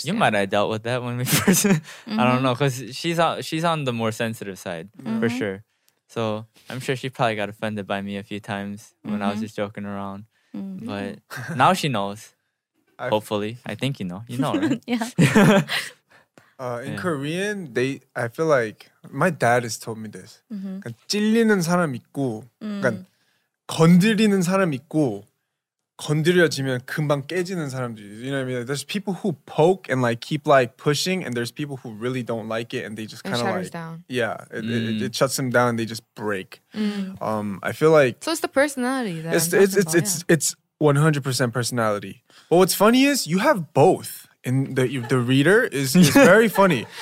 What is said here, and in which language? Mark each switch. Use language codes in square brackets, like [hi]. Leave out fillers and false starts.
[en] You might have dealt with that when we first I don't know, cuz she's on the more sensitive side for sure. So, I'm sure she probably got offended by me a few times when I was just joking around. Mm-hmm. But now she knows. Hopefully. I think you know. You know, right? Yeah. Korean, I feel like… My dad has told me this. Mm-hmm. [ko] 찔리는 사람 있고… 건드리는 사람 있고… 건드려지면 금방 깨지는 사람들. [en] You know what I mean? There's people who poke and like keep like pushing. And there's people who really don't like it. And they just kind of like… down. Yeah. It shuts them down and they just break. Mm. I feel like… So it's the personality. It's 100% personality. But what's funny is you have both. And the reader is very funny.